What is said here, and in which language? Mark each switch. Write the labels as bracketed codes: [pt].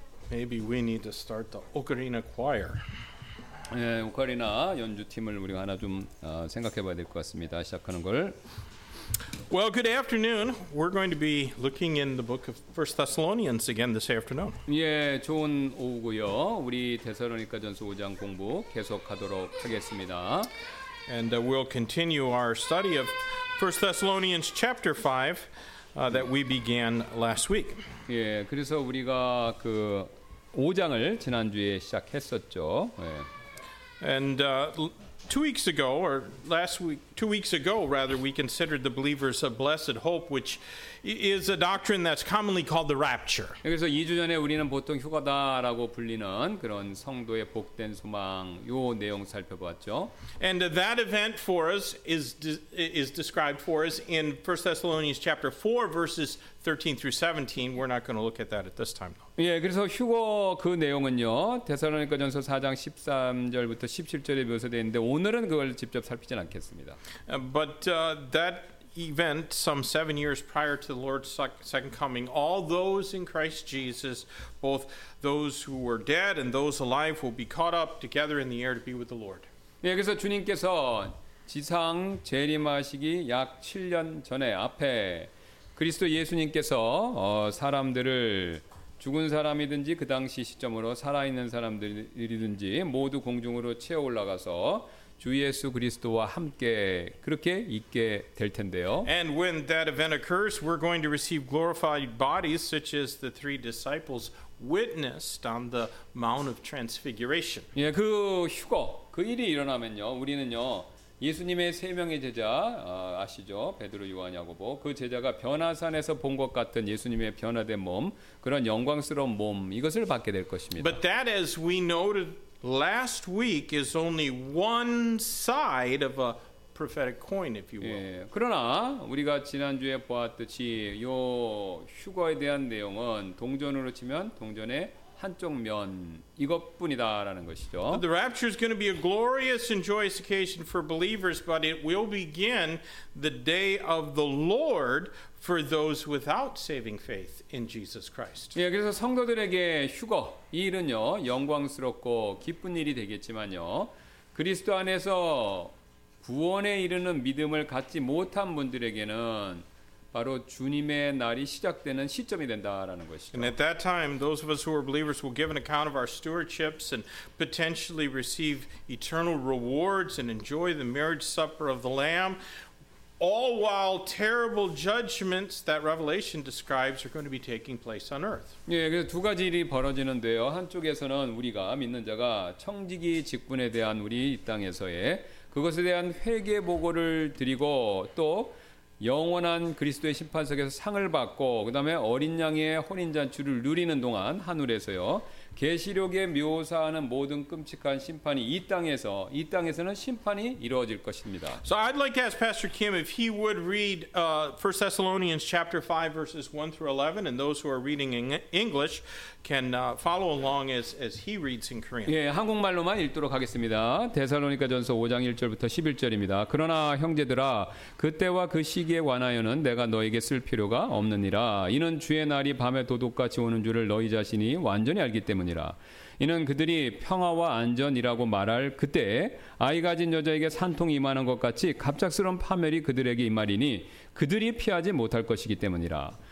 [en] Maybe we need to start the Ocarina Choir. [ko] 예, 오카리나 연주팀을 우리가 하나 좀 생각해봐야 될 것 같습니다. 시작하는 걸. [en] Well, good afternoon. We're going to be looking in the book of 1 Thessalonians again this afternoon. [ko] 예, 좋은 오후고요. 우리 데살로니가전서 5장 공부 계속하도록 하겠습니다. [en] And we'll continue our study of 1 Thessalonians chapter 5. That we began last week. [ko] 예, 그래서 우리가 그 5장을 지난주에 시작했었죠. 예. [en] And two weeks ago, we considered the believers a blessed hope, which is a doctrine that's commonly called the rapture. [ko] 그래서 2주 전에 우리는 보통 휴가다라고 불리는 그런 성도의 복된 소망 요 내용 살펴보았죠. [en] And that event for us is described for us in 1 Thessalonians chapter 4 verses 13 through 17. We're not going to look at that at this time though. [ko] 예, 그래서 휴거 그 내용은요. 데살로니가전서 4장 13절부터 17절에 묘사되어 있는데 오늘은 그걸 직접 살피진 않겠습니다. [en] But that event some 7 years prior to the Lord's second coming, all those in Christ Jesus, both those who were dead and those alive, will be caught up together in the air to be with the Lord. [ko] 네, 그래서 주님께서 지상 재림하시기 약 7년 전에 앞에 그리스도 예수님께서 사람들을 죽은 사람이든지 그 당시 시점으로 살아있는 사람들이든지 모두 공중으로 채워 올라가서 주 예수 그리스도와 함께 그렇게 있게 될 텐데요. [en] And when that event occurs, we're going to receive glorified bodies such as the three disciples witnessed on the Mount of Transfiguration. [ko] 예, 그 휴거, 그 일이 일어나면요, 우리는요, 예수님의 세 명의 제자 아시죠? 베드로, 요한, 야고보. 그 제자가 변화산에서 본 것 같은 예수님의 변화된 몸, 그런 영광스러운 몸 이것을 받게 될 것입니다. [en] But that, as we noted last week, is only one side of a prophetic coin, if you will. [ko] 예, 그러나 우리가 지난주에 보았듯이 요 휴거에 대한 내용은 동전으로 치면 동전의 한쪽 면 이것뿐이다라는 것이죠. [en] The rapture is going to be a glorious and joyous occasion for believers, but it will begin the day of the Lord for those without saving faith in Jesus Christ. [ko] 예, 그래서 성도들에게 휴거 이 일은요 영광스럽고 기쁜 일이 되겠지만요 그리스도 안에서 구원에 이르는 믿음을 갖지 못한 분들에게는 바로 주님의 날이 시작되는 시점이 된다라는 것이죠. [en] And at that time, those of us who are believers will give an account of our stewardships and potentially receive eternal rewards and enjoy the marriage supper of the Lamb, all while terrible judgments that Revelation describes are going to be taking place on earth. [ko] 예, 그래서 두 가지 일이 벌어지는데요. 한쪽에서는 우리가 믿는 자가 청지기 직분에 대한 우리 이 땅에서의 그것에 대한 회개 보고를 드리고 또 영원한 그리스도의 심판석에서 상을 받고 그 다음에 어린 양의 혼인 잔치를 누리는 동안 하늘에서요 계시록에 묘사하는 모든 끔찍한 심판이 이 땅에서는 심판이 이루어질 것입니다. [en] So I'd like to ask Pastor Kim if he would read 1 Thessalonians chapter 5 verses 1 through 11 and those who are reading in English can follow along as he reads in Korean. [ko] 예, 한국말로만 읽도록 하겠습니다. 데살로니가전서 5장 1절부터 11절입니다. 그러나 형제들아 그때와 그 시기에 관하여는 내가 너에게 쓸 필요가 없느니라. 이는 주의 날이 밤에 도둑같이 오는 줄을 너희 자신이 완전히 알기 때문이라. 이는 그들이 평화와 안전이라고 말할 그때 아이 가진 여자에게 산통이 임하는 것 같이 갑작스러운 파멸이 그들에게 임하리니 그들이 피하지 못할 것이기 때문이라.